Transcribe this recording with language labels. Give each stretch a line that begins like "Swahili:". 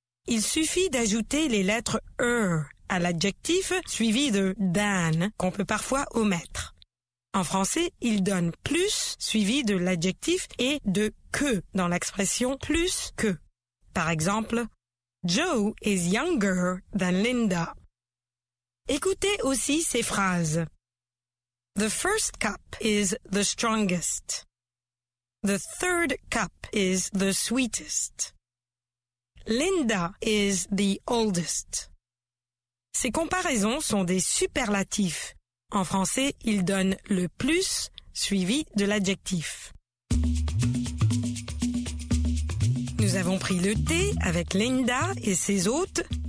French: Il suffit d'ajouter les lettres « er » à l'adjectif suivi de « than » qu'on peut parfois omettre. En français, il donne « plus » suivi de l'adjectif et de « que » dans l'expression « plus que ». Par exemple, «
English: Joe is younger than Linda ».
French: Écoutez aussi ces phrases.
English: The first cup is the strongest. The third cup is the sweetest. Linda is the oldest.
French: Ces comparaisons sont des superlatifs. En français, ils donnent le plus suivi de l'adjectif. Nous avons pris le thé avec Linda et ses hôtes.